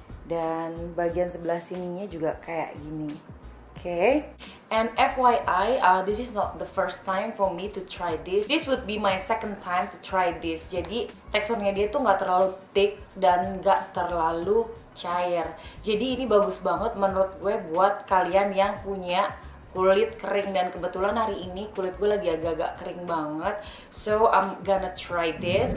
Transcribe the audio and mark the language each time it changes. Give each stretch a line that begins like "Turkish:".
Indonesian: Dan bagian sebelah sininya juga kayak gini. Oke.
English: And FYI, this is not the first time for me to try this. This would be my second time to try this.
Indonesian: Jadi teksturnya dia tuh gak terlalu thick dan gak terlalu cair. Jadi ini bagus banget menurut gue buat kalian yang punya kulit kering. Dan kebetulan hari ini kulit gue lagi agak-agak kering banget.
English: So I'm gonna try this.